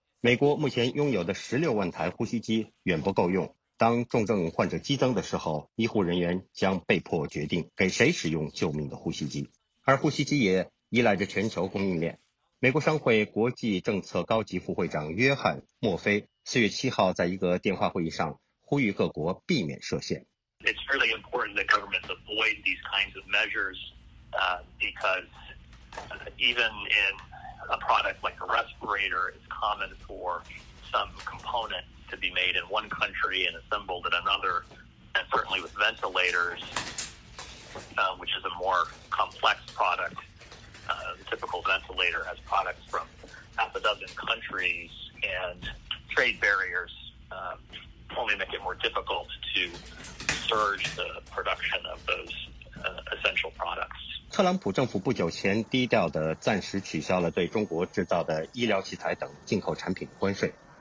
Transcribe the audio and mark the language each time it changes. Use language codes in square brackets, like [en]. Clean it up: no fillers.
[zh] 美国目前拥有的16万台呼吸机远不够用，当重症患者激增的时候，医护人员将被迫决定给谁使用救命的呼吸机。而呼吸机也依赖着全球供应链。美国商会国际政策高级副会长约翰·墨菲4月7号在一个电话会议上呼吁各国避免设限。 [en] It's really important that governments avoid these kinds of measures, because even in a product like a respirator, it's common for some component to be made in one country and assembled in another, and certainly with ventilators, which is a more complex product. The typical ventilator has products from half a dozen countries and trade barriers only make it more difficult to surge the production of those essential products. [zh] 特朗普政府不久前低调地暂时取消了对中国制造的医疗器材等进口产品关税。